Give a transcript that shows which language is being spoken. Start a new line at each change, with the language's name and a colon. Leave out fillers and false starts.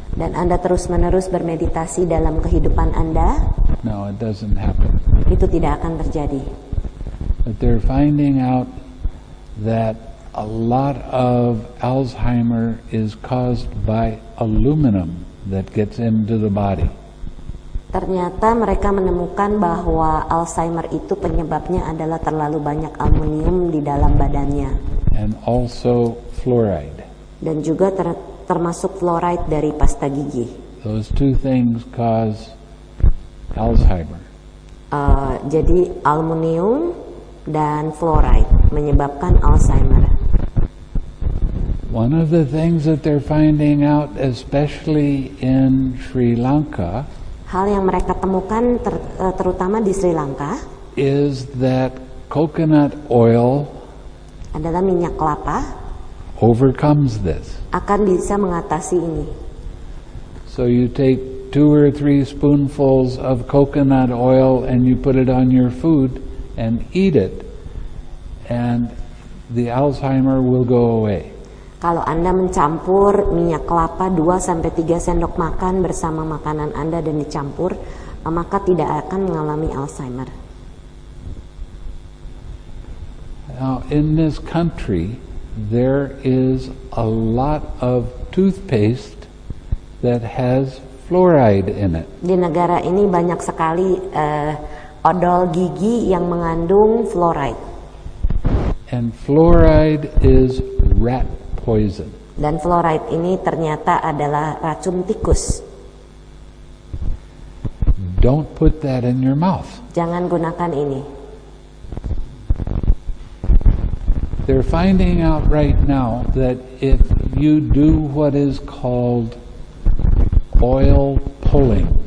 Indonesian: dan Anda terus-menerus bermeditasi dalam kehidupan Anda,
English: no, it doesn't happen.
Indonesian: Itu tidak akan terjadi.
English: But they're finding out that a lot of Alzheimer is caused by aluminum that gets into the body.
Indonesian: Ternyata mereka menemukan bahwa Alzheimer itu penyebabnya adalah terlalu banyak aluminium di dalam badannya.
English: And also fluoride.
Indonesian: Dan juga termasuk fluoride dari pasta gigi.
English: Those two things cause Alzheimer.
Indonesian: Jadi aluminium dan fluoride menyebabkan Alzheimer.
English: One of the things that they're finding out, especially in Sri Lanka,
Indonesian: hal yang mereka temukan terutama di Sri Lanka,
English: is that coconut oil
Indonesian: adalah minyak kelapa
English: overcomes this.
Indonesian: Akan bisa mengatasi ini.
English: So you take 2 or 3 spoonfuls of coconut oil and you put it on your food and eat it, and the Alzheimer will go away.
Indonesian: Kalau Anda mencampur minyak kelapa 2-3 sendok makan bersama makanan Anda dan dicampur, maka tidak akan mengalami Alzheimer.
English: Now, in this country, there is a lot of toothpaste that has fluoride in it.
Indonesian: Di negara ini banyak sekali odol gigi yang mengandung fluoride.
English: And fluoride is rat poison.
Indonesian: Dan fluoride ini ternyata adalah racun tikus.
English: Don't put that in your mouth.
Indonesian: Jangan gunakan ini.
English: They're finding out right now that if you do what is called oil pulling.